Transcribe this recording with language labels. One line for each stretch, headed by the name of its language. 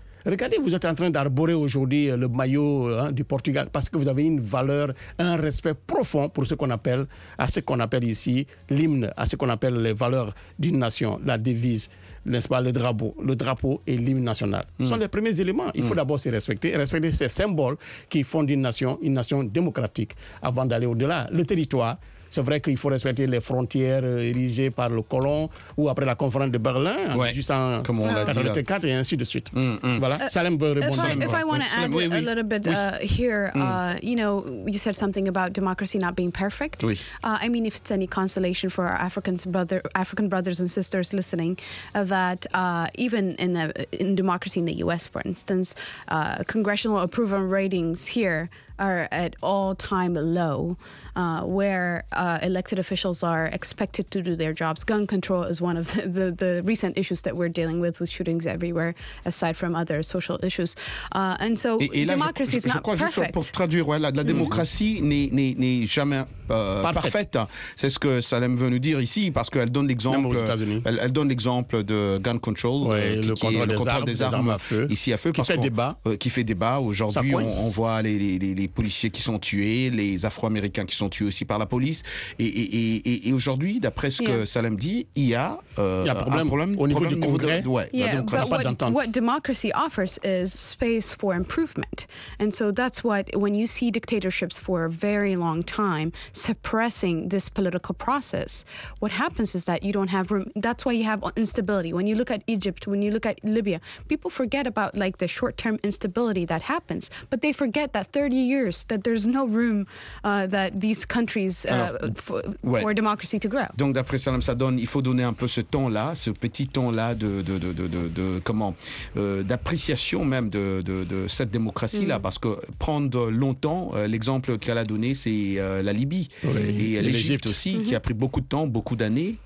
French: Regardez, vous êtes en train d'arborer aujourd'hui le maillot du Portugal parce que vous avez une valeur, un respect profond pour ce qu'on appelle ici l'hymne, à ce qu'on appelle les valeurs d'une nation, la devise, n'est-ce pas, le drapeau et l'hymne national. Ce sont les premiers éléments. Il faut d'abord se respecter ces symboles qui font d'une nation une nation démocratique avant d'aller au-delà. Le territoire, c'est vrai qu'il faut respecter les frontières érigées par le colon ou après la conférence de Berlin, juste en 1984 et ainsi de suite. Voilà. Salem veut répondre.
English: If I want to add a little bit here, you know, you said something about democracy not being perfect.
French: Oui.
English: I mean, if it's any consolation for our African brothers and sisters listening, that even in democracy in the US, for instance, congressional approval ratings here are at all-time low, where elected officials are expected to do their jobs. Gun control is one of the recent issues that we're dealing with shootings everywhere, aside from other social issues. And so, et là, democracy is not perfect.
French: Je crois, juste pour traduire, ouais, la démocratie n'est jamais parfaite. C'est ce que Salem veut nous dire ici, parce qu'elle donne l'exemple. Même aux États-Unis. Elle donne l'exemple de gun control, le contrôle des armes à feu, ici à feu, qui fait débat. Aujourd'hui, on voit les policiers qui sont tués, les Afro-Américains qui sont tués aussi par la police. Et aujourd'hui, d'après ce que Salem dit, il y a un problème au niveau du Congrès.
English: What democracy offers is space for improvement. And so that's what, when you see dictatorships for a very long time suppressing this political process, what happens is that you don't have room. That's why you have instability. When you look at Egypt, when you look at Libya, people forget about like the short-term instability that happens, but they forget that 30 years years that there's no room that these countries for democracy to grow.
French: Donc d'après Salam Sadon, il faut donner un peu ce temps là, ce petit temps là de comment d'appréciation même de cette démocratie là, parce que prendre longtemps, l'exemple qu'elle a donné c'est la Libye et l'Égypte aussi qui a pris beaucoup de temps, beaucoup d'années